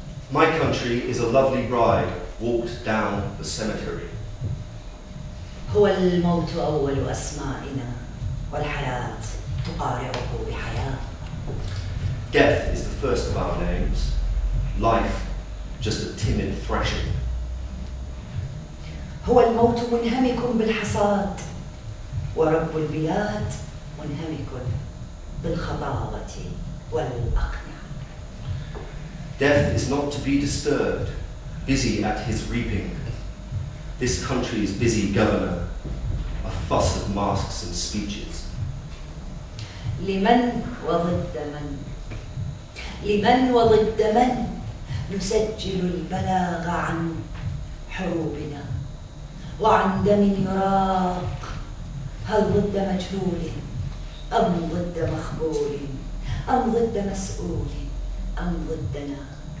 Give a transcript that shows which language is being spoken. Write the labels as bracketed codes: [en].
[en] My country is a lovely bride walked down the cemetery. [ar] هو الموت أول أسمائنا والحياة تقارعه بحياة. [en] Death is the first of our names. Life, just a timid thrashing. [ar] هو الموت منهمك بالحصاد ورب البلاد منهمك بالخضابة والأقنعة. [en] Death is not to be disturbed, busy at his reaping. This country's busy governor, a fuss of masks and speeches. [ar] لمن وضد من؟ لمن وضد من؟ نسجل البلاغ عن حروبنا وعن دم يراق. هل ضد مجهول أم ضد مخبول أم ضد مسؤول أم ضدنا؟